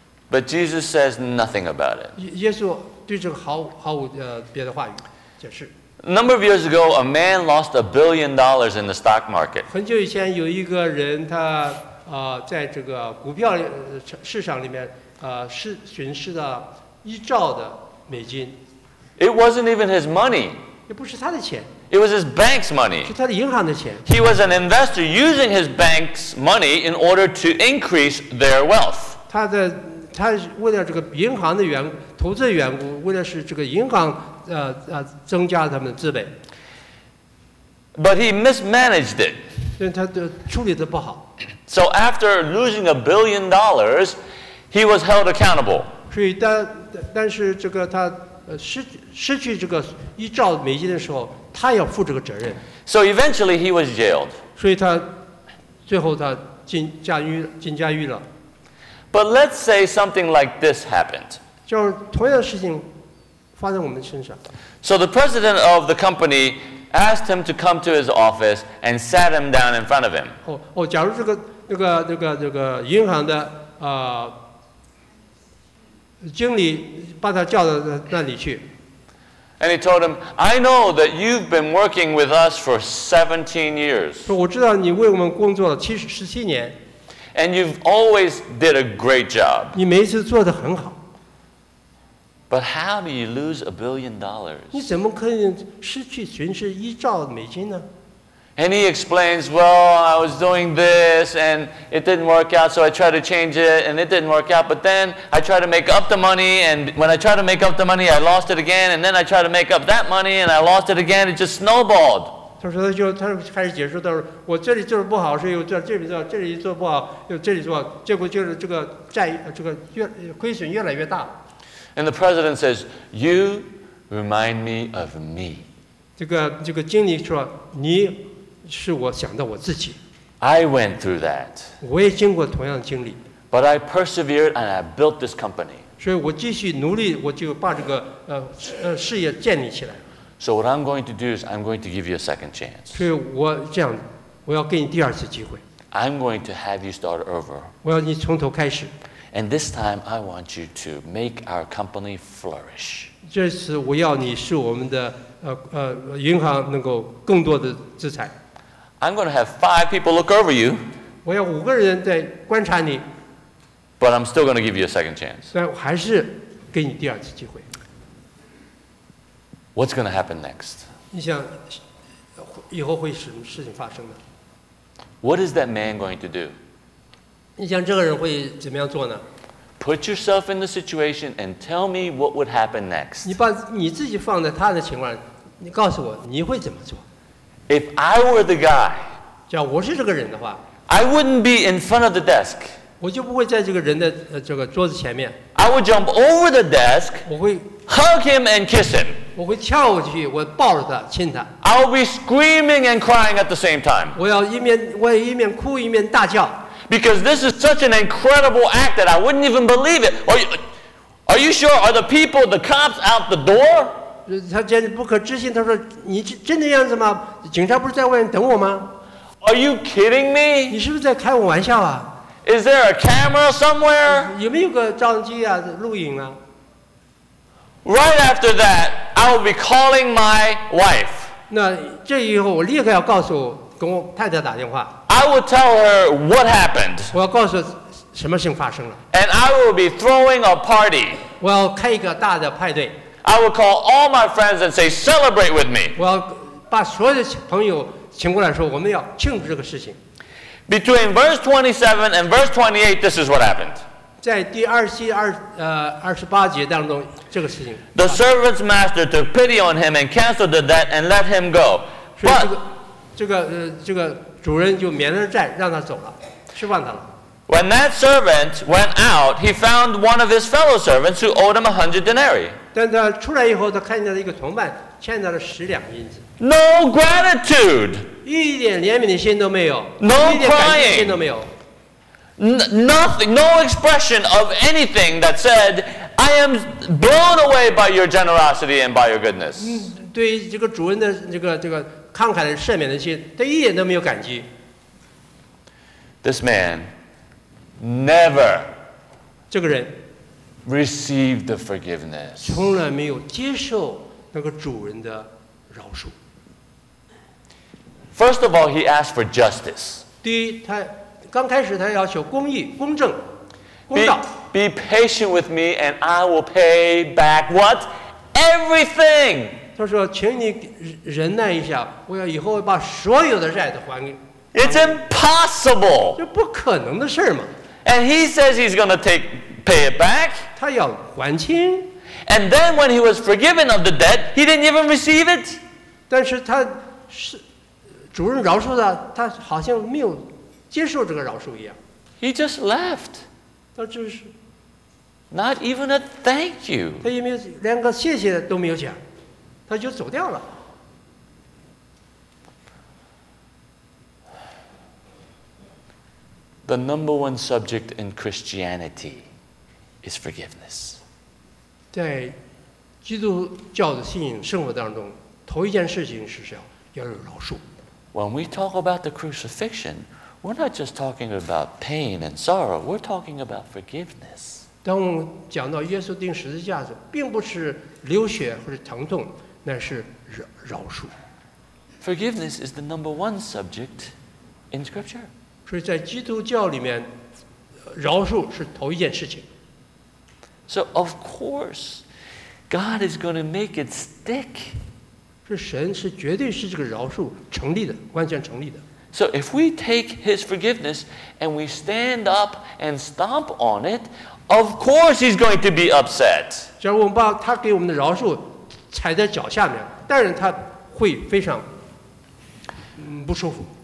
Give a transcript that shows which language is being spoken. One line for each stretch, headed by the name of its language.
English: But Jesus says nothing about it.
Chinese: 耶稣对这个毫无别的话语解释。
English: A number of years ago, a man lost $1 billion in the stock market.
Chinese: 很久以前，有一个人他在这个股票市场里面损失了$1兆。
English: It wasn't even his money.
Chinese: 也不是他的钱。
English: It was his bank's money.
Chinese: 是他的银行的钱。
English: He was an investor using his bank's money in order to increase their wealth.
Chinese: 他为了这个银行的投资的缘故，为了使这个银行增加他们的资本。
English: But he mismanaged it.
Chinese: 但他处理的不好。
English: So after losing $1 billion, he was held accountable.
Chinese: 所以但是这个他失去这个$1兆的时候，他要负这个责任。
English: So eventually he was jailed.
Chinese: 所以他最后他进监狱了。
English: But let's say something like this happened.
Chinese: 就是同样的事情发生我们身上。
English: So the president of the company asked him to come to his office and sat him down in front of him.
Chinese: 假如这个银行的经理把他叫到那里去。
English: And he told him, I know that you've been working with us for 17 years.
Chinese: 说我知道你为我们工作了17年。
English: And you've always did a great job.
Chinese: 你每一次做得很好。
English: But how do you lose $1 billion?
Chinese: 你怎么可以失去损失一兆美金呢？
English: And he explains, well, I was doing this, and it didn't work out, so I tried to change it, and it didn't work out. But then I tried to make up the money, and when I tried to make up the money, I lost it again. And then I tried to make up that money, and I lost it again. It just snowballed.
Chinese: 他说他开始解释到，我这里做的不好，是又做这里做，这里做不好，又这里做，结果就是这个债，这个亏损越来越大。
English: And the president says, "You remind me of me."
Chinese: 这个经理说你。是我想到我自己。
English: I went through that.
Chinese: 我也经过同样的经历。
English: But I persevered and I built this company.
Chinese: 所以我继续努力，我就把这个事业建立起来。
English: So what I'm going to do is I'm going to give you a second chance.
Chinese: 所以我这样，我要给你第二次机会。
English: I'm going to have you start over.
Chinese: 我要你从头开始。
English: And this time I want you to make our company flourish.
Chinese: 这次我要你使我们的银行能够更多的资产。
English: I'm going to have 5 people look over you.
Chinese: 我要五个人在观察你。
English: But I'm still going to give you a second chance.
Chinese: 但我还是给你第二次机会。
English: What's going to happen next?
Chinese: 你想以后会什么事情发生呢？
English: What is that man going to do?
Chinese: 你想这个人会怎么样做呢？
English: Put yourself in the situation and tell me what would happen next.
Chinese: 你把你自己放在他的情况，你告诉我你会怎么做。
English: If I were the guy,
Chinese: 假如我是这个人的话,
English: I wouldn't be in front of the desk.
Chinese: 我就不会在这个人的这个桌子前面。
English: I would jump over the desk,
Chinese: 我会,
English: hug him and kiss him.
Chinese: 我会跳过去, 我抱着他, 亲他。
English: I would be screaming and crying at the same time.
Chinese: 我要一面, 我要一面哭, 一面大叫。
English: Because this is such an incredible act that I wouldn't even believe it. Are you sure? Are the people, the cops out the door?
Chinese: 他简直不可置信，他说你真的样子吗？警察不是在外面等我吗？
English: Are you kidding me?
Chinese: 你是不是在开我玩笑啊？
English: Is there a camera somewhere?
Chinese: 有没有个照相机啊，录影啊？
English: Right after that, I will be calling my wife.
Chinese: 那这以后我立刻要告诉跟我太太打电话。
English: I will tell her what happened.
Chinese: 我要告诉什么事情发生了。
English: And I will be throwing a party.
Chinese: 我要开一个大的派对。
English: I will call all my friends and say, celebrate with me.
Chinese: 我要把所有的朋友请过来说，我们要庆祝这个事情。
English: Between verse 27 and verse 28, this is what happened.
Chinese: 在第27、28节当中，这个事情。
English: The servant's master took pity on him and canceled the debt and let him go.
Chinese: 所以这个主人就免了债，让他走了，释放他了。
English: When that servant went out, he found one of his fellow servants who owed him 100 denarii.
Chinese: 但他出来以后，他看见了一个同伴欠他了10两银子。
English: No gratitude.
Chinese: 一点怜悯的心都没有。
English: No crying.
Chinese: 一点感激的心都没有。
English: Nothing. No expression of anything that said, "I am blown away by your generosity and by your goodness."
Chinese: 对于这个主人的这个慷慨的赦免的心，他一点都没有感激。
English: This man. Never,
Chinese: 这个人
English: received the forgiveness.
Chinese: 从来没有接受那个主人的饶恕。
English: First of all, he asked for justice.
Chinese: 第一，他刚开始他要求公义、公正、公道。
English: Be patient with me, and I will pay back what everything.
Chinese: 他说，请你忍耐一下，我要以后把所有的债都还给。
English: It's impossible.
Chinese: 这不可能的事儿嘛。
English: And he says he's going to pay it back.
Chinese: 他要还清。
English: And then when he was forgiven of the debt, he didn't even receive it.
Chinese: 但是他是主人饶恕他，他好像没有接受这个饶恕一样。
English: He just left.
Chinese: 他就是
English: not even a thank you.
Chinese: 他也没有连个谢谢都没有讲，他就走掉了。
English: The number one subject in Christianity is forgiveness.
Chinese: 在基督教的信仰生活当中，头一件事情是要有饶恕。
English: When we talk about the crucifixion, we're not just talking about pain and sorrow. We're talking about forgiveness.
Chinese: 当我们讲到耶稣钉十字架时，并不是流血或者疼痛，那是饶恕。
English: Forgiveness is the number one subject in Scripture.
Chinese: 所以在基督教里面，饶恕是头一件事情。
English: So of course, God is going to make it stick.
Chinese: 是神是绝对是这个饶恕成立的，完全成立的。
English: So if we take His forgiveness and we stand up and stomp on it, of course He's going to be upset.
Chinese: 假如我们把他给我们的饶恕踩在脚下面，当然他会非常不舒服。